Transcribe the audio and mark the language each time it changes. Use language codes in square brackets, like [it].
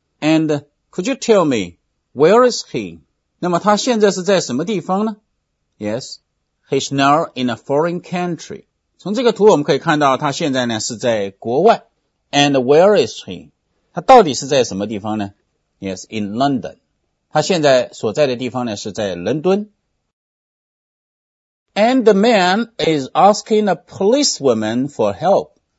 [en] And could you tell me, where is he? [zh] 那么他现在是在什么地方呢？ [en] Yes, he's now in a foreign country. [zh] 从这个图我们可以看到他现在呢是在国外。 [en] And where is he? [zh] 他到底是在什么地方呢？ [en] Yes, in London. [zh] 他现在所在的地方呢是在伦敦。 [en] And the man is asking a policewoman for help.